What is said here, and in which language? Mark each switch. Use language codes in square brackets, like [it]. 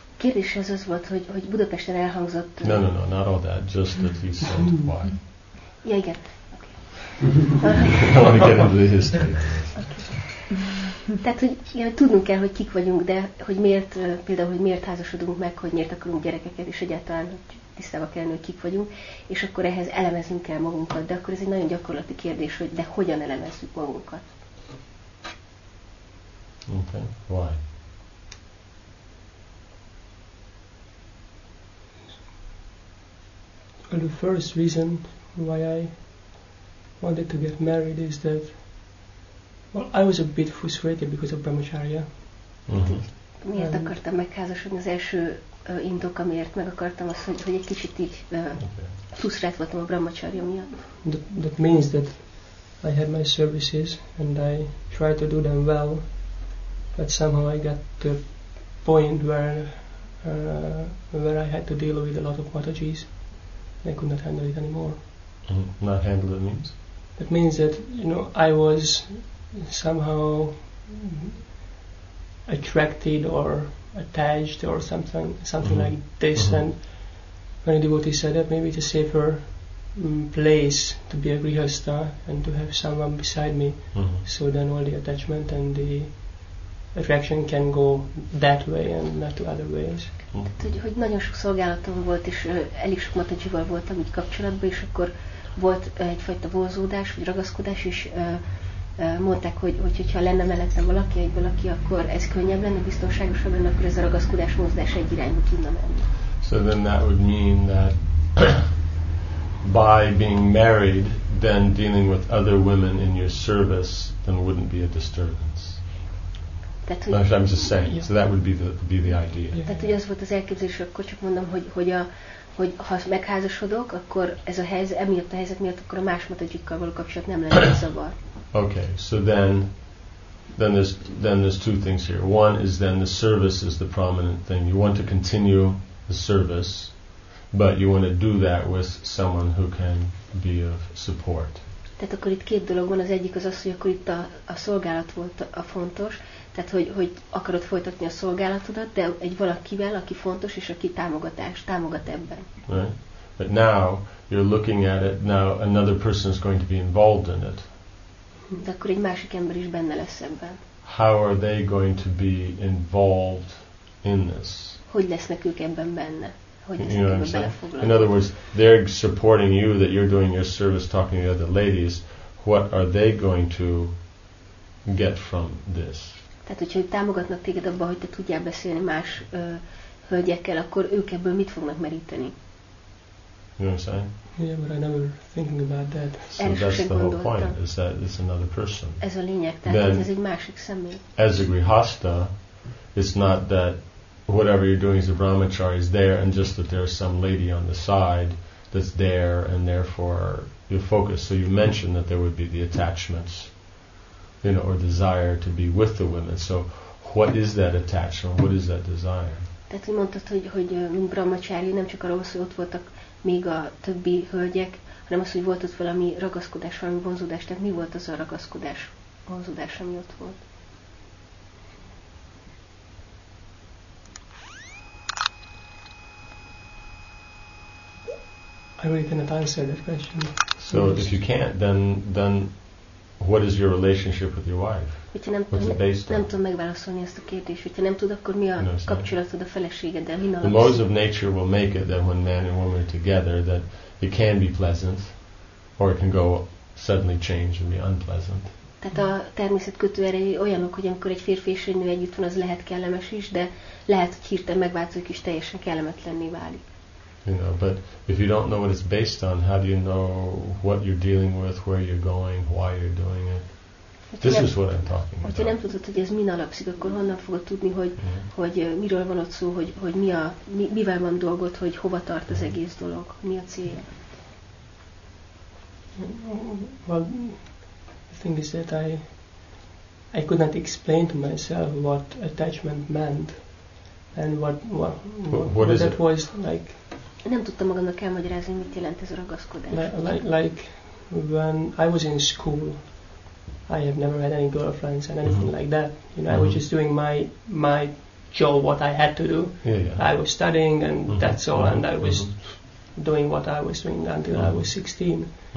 [hu] Kérdés az az volt, hogy Budapesten elhangzott. [en] No, not all that, just that he said why. [hu] Ja, igen. [en] Okay. I want to get into the history. Okay. [hu] Tehát, hogy ja, tudnunk kell, hogy kik vagyunk, de hogy miért, például, hogy miért házasodunk meg, hogy miért akarunk gyerekeket, és egyáltalán, hogy tisztában kell lenni, hogy kik vagyunk, és akkor ehhez elemezünk kell magunkat, de akkor ez egy nagyon gyakorlati kérdés, hogy de hogyan elemezzük magunkat. [en] Okay, why? Well, the first reason why I wanted to get married is that, well, I was a bit frustrated because of Brahmacharya. Mm-hmm. [hu] Miért akartam megházasodni? Az első indok, amiért meg akartam, az, hogy egy kicsit így frusztrált voltam a Brahmacharya miatt. [en] That means that I had my services and I tried to do them well, but somehow I got to a point where I had to deal with a lot of matajis. I could not handle it anymore. Mm, not handle it means? It means that, you know, I was somehow attracted or attached or something mm-hmm. like this. Mm-hmm. And many devotees said that maybe it's a safer place to be a grihastha and to have someone beside me. Mm-hmm. So then all the attachment and the attraction can go that way and not to other ways. [hu] Tehát, hogy nagyon sok szolgálatom volt, és elég sok matajival voltam így kapcsolatban, és akkor volt egyfajta vonzódás, vagy ragaszkodás, és mondták, hogyha lenne mellettem valaki, egy valaki, akkor ez könnyebb lenne, biztonságosabb lenne, akkor ez a ragaszkodás, mozdás egy irányba tudna menni. [en] So then that would mean that by being married, then dealing with other women in your service, then wouldn't be a disturbance. Actually, I'm just saying. Yeah. So that would be the idea. [hu] Tehát ugye az volt az elképzelés, akkor csak mondom, hogy ha megházasodok, akkor ez a helyzet, emiatt a helyzet miatt, akkor a más matajikkal való kapcsolat nem lenne zavar. [en] Okay, so then there's two things here. One is then the service is the prominent thing. You want to continue the service, but you want to do that with someone who can be of support. [hu] Tehát akkor itt két dolog van, az egyik az, hogy akkor itt a szolgálat volt a fontos, tehát hogy akarod folytatni a szolgálatodat, de egy valakivel, aki fontos és aki támogat ebben. [en] Right. But now you're looking at it, now another person is going to be involved in it. [hu] De akkor egy másik ember is benne lesz ebben. [en] How are they going to be involved in this? [hu] Hogy lesznek ők ebben benne? [en] You know what I'm saying? In other words, they're supporting you that you're doing your service talking to the other ladies. What are they going to get from this? [hu] Tehát, hogyha ők támogatnak téged abban, hogy te tudjál beszélni más hölgyekkel, akkor ők ebből mit fognak meríteni? [en] You know what I'm saying? Yeah, but I never thinking about that. So that's the whole point, is that it's another person. [hu] Ez a lényeg, tehát ez egy másik személy. [en] As a grihastha, it's not that whatever you're doing is a brahmachari is there, and just that there's some lady on the side that's there, and therefore you focus. So you mentioned that there would be the attachments, you know, or desire to be with the women. So what is that attachment? What is that desire? [hu] Tehát úgy mondtad, hogy brahmachari nem csak arról szól, hogy ott voltak még a többi hölgyek, hanem az, hogy volt ott valami ragaszkodás, valami vonzódás. Tehát mi volt az a ragaszkodás, vonzódás, ami ott volt? [en] I really cannot answer that question. So if you can't, then What is your relationship with your wife? [hu] Nem tudom megválaszolni ezt a kérdést, hogyha nem tudod, akkor mi a kapcsolatod a feleségeddel? [en] The laws of nature will make it that when man and woman are together, that it can be pleasant, or it can go suddenly change and be unpleasant. [hu] Tehát a természet kötőerei olyanok, hogy amikor egy férfi és egy nő együtt van, az lehet kellemes is, de lehet, hogy hirtelen megváltozik és teljesen kellemetlenné válik. [en] You know, but if you don't know what it's based on, how do you know what you're dealing with, where you're going, why you're doing it? This is what I'm talking about. [hu] Ha nem tudod, hogy ez min alapszik, akkor honnan fogod tudni, hogy hogy miről van ott szó, hogy hogy mi a mivel van dolgot, hogy hova tart az egész dolog, mi a cél? [en] Well, the thing is that I could not explain to myself what attachment meant and what what is that it? Was like. [hu] Nem tudtam magamnak elmagyarázni, mit jelent ez a ragaszkodás. [en] Like when I was in school, I have never had any girlfriends and anything like that. You know, I was just doing my job, what I had to do. Yeah, yeah. I was studying and that's all, and I was doing what I was doing until I was 16.